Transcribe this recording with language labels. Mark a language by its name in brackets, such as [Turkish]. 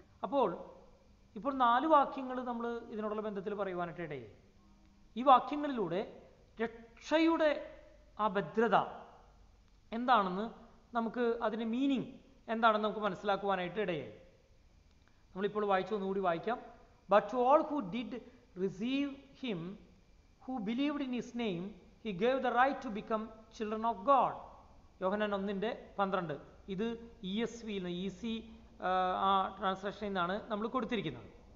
[Malayalam] അപ്പോൾ ഇപ്പോൾ നാല് വാക്യങ്ങൾ നമ്മൾ ഇതിനോടുള്ള ബന്ധത്തിൽ പറയുവാനായിട്ട് ഇടയിൽ. ഈ വാക്യങ്ങളിലൂടെ രക്ഷയുടെ ആ ഭദ്രത എന്താണെന്ന് നമുക്ക്, അതിൻ്റെ മീനിങ് എന്താണെന്ന് നമുക്ക് മനസ്സിലാക്കുവാനായിട്ട് ഇടയായി. നമ്മളിപ്പോൾ വായിച്ചു, ഒന്നുകൂടി വായിക്കാം. [English] But to all who did receive him, who believed in his name, he gave the right to become children of God. [Malayalam] യോഹന്നാൻ 1:12. ഇത് ESV EC ആ ട്രാൻസ്ലേഷനിൽ നിന്നാണ് നമ്മൾ കൊടുത്തിരിക്കുന്നത്.